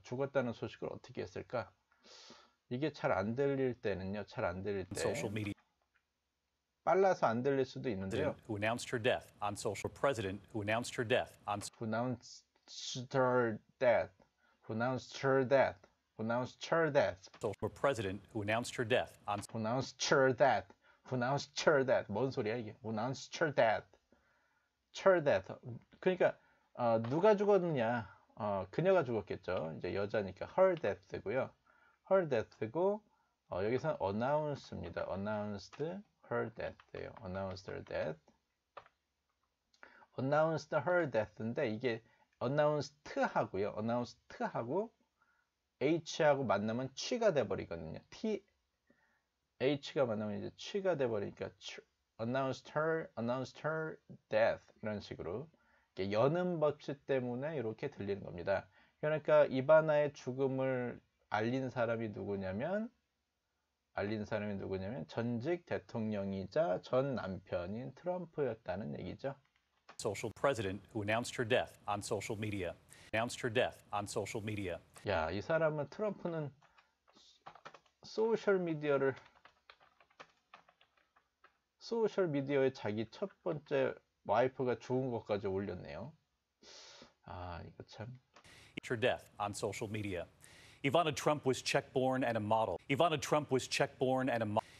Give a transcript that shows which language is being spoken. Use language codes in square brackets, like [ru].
[ko] 죽었다는 소식을 어떻게 했을까? 이게 잘 안 들릴 때는요. 잘 안 들릴 때 빨라서 안 들릴 수도 있는데요. [en] Who announced her death on social president who announced her death on who announced her death who announced her death who announced her death social president who announced her death on who announced her death who announced her death [ko] 뭔 소리야 이게? [en] Who announced her death. Her death. [ko] 그러니까 누가 죽었느냐? 그녀가 죽었겠죠. 이제 여자니까 [en] her death [ko] 고요. [en] Her death [ko] 고 여기서는 announced입니다. [en] Announced her death예요. Announced her death. Announced her death인데 이게 announced하고요. [ko] Announced하고 h하고 만나면 ch가 돼버리거든요. T h가 만나면 이제 ch가 돼버리니까 [en] announced her death [ko] 이런 식으로. 연음 법칙 때문에 이렇게 들리는 겁니다. 그러니까 이바나의 죽음을 알린 사람이 누구냐면 알린 사람이 누구냐면 전직 대통령이자 전 남편인 트럼프였다는 얘기죠. [en] Social president who announced her death on social media. Announced her death on social media. [ko] 야, 이 사람은 트럼프는 소셜미디어에 자기 첫 번째 와이프가 죽은 것까지 올렸네요. 아, 이거 참. [en] Her death on social media. Ivana Trump was Czech born and a model. Ivana Trump was Czech born and a model.